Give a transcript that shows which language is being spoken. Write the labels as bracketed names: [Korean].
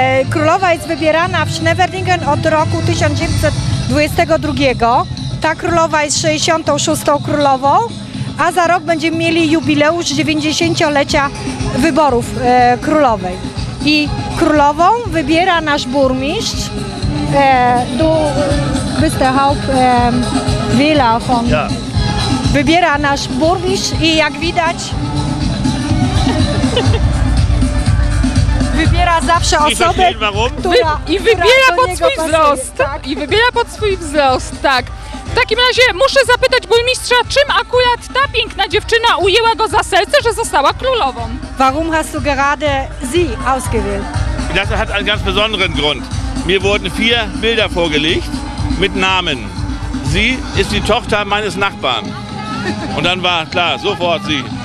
[Polish] Królowa jest wybierana w Schneverdingen od roku 1922. Ta królowa jest 66. królową, a za rok będziemy mieli jubileusz 90-lecia wyborów królowej. I królową wybiera nasz burmistrz. [German] Du bist der Hauptwähler von. Ja. [Polish] Wybiera nasz burmistrz i jak widać. Wybiera zawsze osobę. I wybiera pod swój wzrost, tak. W takim razie muszę zapytać burmistrza, czym akurat ta piękna dziewczyna ujęła go za serce, że została królową. [German] Warum hast du gerade sie ausgewählt? Das hat einen ganz besonderen Grund. Mir wurden 4 Bilder vorgelegt mit Namen. Sie ist die Tochter meines Nachbarn. Und dann war klar, sofort sie.